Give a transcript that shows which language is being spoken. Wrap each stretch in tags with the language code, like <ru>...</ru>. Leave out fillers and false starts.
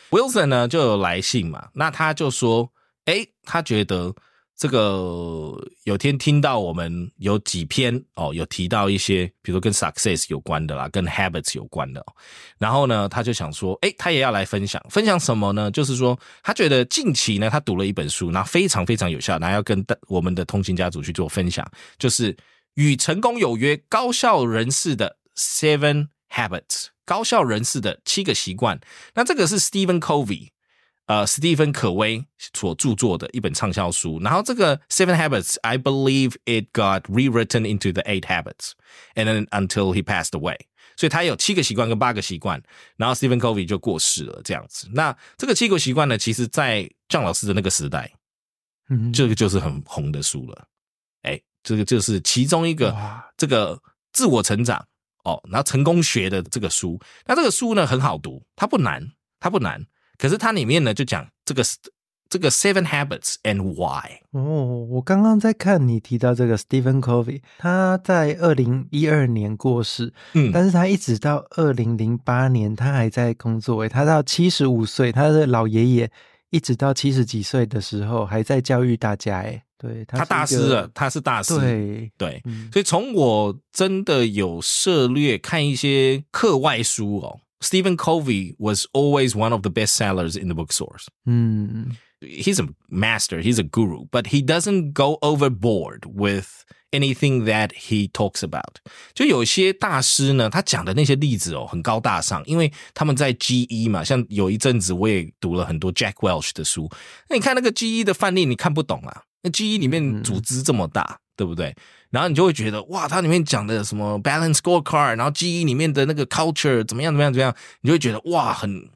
<zh>Wilson 呢就有来信嘛，那他就说他觉得这个有天听到我们有几篇、有提到一些比如说跟 success 有关的啦，跟 habits 有关的、然后呢他就想说他也要来分享什么呢，就是说他觉得近期呢他读了一本书，然后非常非常有效，然后要跟我们的通勤家族去做分享，就是与成功有约高效人士的 7 habits， 高效人士的七个习惯。那这个是 Stephen Covey，史蒂芬·可威所著作的一本畅销书。然后这个</zh> <en>Seven Habits, I believe it got rewritten into the Eight Habits, and then until he passed away.</en> <zh>所以他有七个习惯跟八个习惯，然后 Stephen Covey 就过世了这样子。那这个七个习惯呢，其实在姜老师的那个时代、这个就是很红的书了。这个就是其中一个这个自我成长、然后成功学的这个书。那这个书呢很好读，它不难。可是它里面呢就讲这个</zh> <en>Seven Habits and Why。</en> <zh>我刚刚在看你提到这个 Stephen Covey， 他在2012年过世、但是他一直到2008年他还在工作，他到75岁，他的老爷爷一直到70几岁的时候还在教育大家。对，他是大师。对对、所以从我真的有涉略看一些课外书哦，</zh> <en>Stephen Covey was always one of the best sellers in the bookstores.、He's a master, he's a guru, but he doesn't go overboard with anything that he talks about.</en> <zh>就有些大师呢，他讲的那些例子哦，很高大上，因为他们在 GE 嘛，像有一阵子我也读了很多 Jack Welch 的书，那你看那个 GE 的范例你看不懂啊，那 GE 里面组织这么大、对不对？然后你就会觉得哇，它里面讲的什么 balance scorecard， 然后 GE 里面的那个 culture 怎么样，你就会觉得哇，很</zh>